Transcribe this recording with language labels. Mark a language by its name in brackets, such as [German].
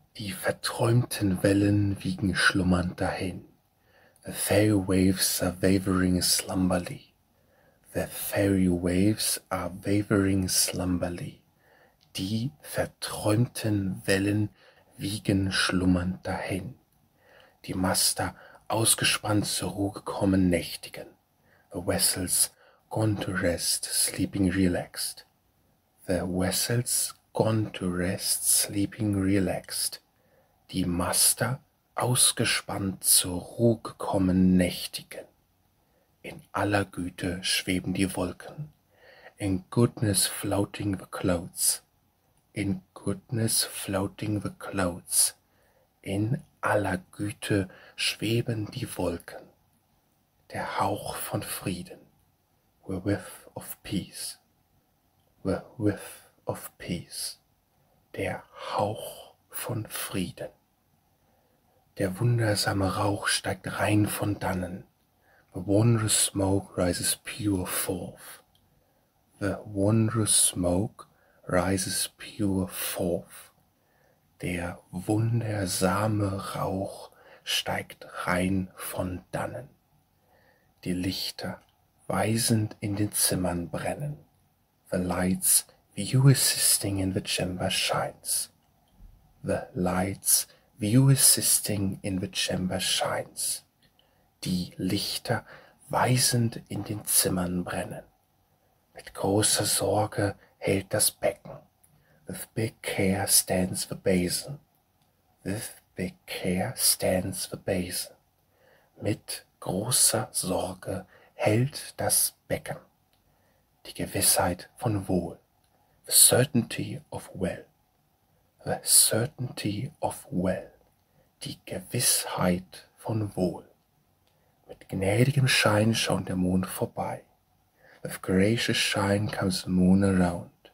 [German] Die verträumten Wellen wiegen schlummernd dahin. [English] The fairy waves are wavering slumberly. The fairy waves are wavering slumberly. [German] Die verträumten Wellen wiegen schlummernd dahin. Die Master ausgespannt zur Ruhe gekommen nächtigen. [English] The vessels gone to rest, sleeping relaxed. The vessels gone to rest, sleeping relaxed. [German] Die Master ausgespannt zur Ruhe gekommen nächtigen. In aller Güte schweben die Wolken. [English] In goodness floating the clouds. In goodness floating the clouds. [German] In aller Güte schweben die Wolken. Der Hauch von Frieden. [English] The whiff of peace. The whiff of peace. [German] Der Hauch von Frieden. Der wundersame Rauch steigt rein von dannen. [English] The wondrous smoke rises pure forth. The wondrous smoke rises pure forth. [German] Der wundersame Rauch steigt rein von dannen. Die Lichter weisend in den Zimmern brennen. [English] The lights view assisting in the chamber shines. The lights view assisting in the chamber shines. [German] Die Lichter weisend in den Zimmern brennen. Mit großer Sorge hält das Becken. [English] With big care stands the basin. With big care stands the basin. [German] Mit großer Sorge hält das Becken. Die Gewissheit von Wohl. [English] The certainty of well. The certainty of well. [German] Die Gewissheit von Wohl. Mit gnädigem Schein schaut der Mond vorbei. [English] With gracious shine comes the moon around.